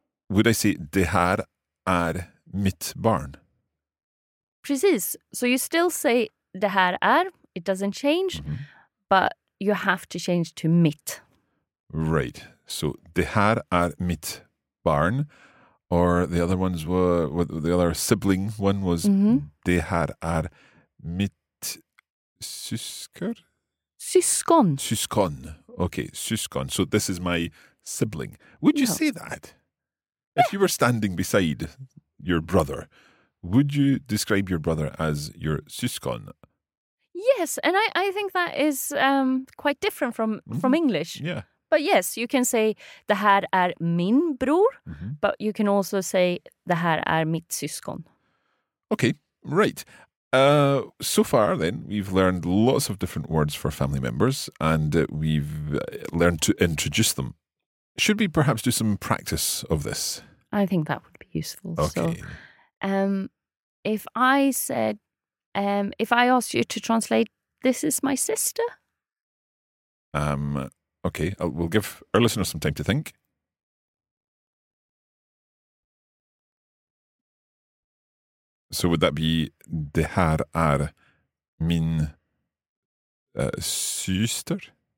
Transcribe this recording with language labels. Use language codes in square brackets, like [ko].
[en] Would I say [sv] de här är mitt barn? Precis. [en] So you still say [sv] de här är. [en] It doesn't change. Mm-hmm. But you have to change to mitt. Right. So [sv] de här är mitt barn. [en] Or the other ones were, the other sibling one was [sv] de här är mitt syskar? Syskon. [en] Syskon. Okay, syskon. So this is my sibling. Would you say that? Yeah. If you were standing beside your brother, would you describe your brother as your syskon? Yes, and I think that is quite different from English. Yeah. But yes, you can say [sv] det här är min bror, [en] but you can also say [sv] det här är mitt syskon. [en] Okay, right. So far then, we've learned lots of different words for family members and we've learned to introduce them. Should we perhaps do some practice of this? I think that would be useful. Okay. So, if I said, if I asked you to translate, this is my sister? Okay, we'll give our listeners some time to think. So would that be [sv] de här är min syster?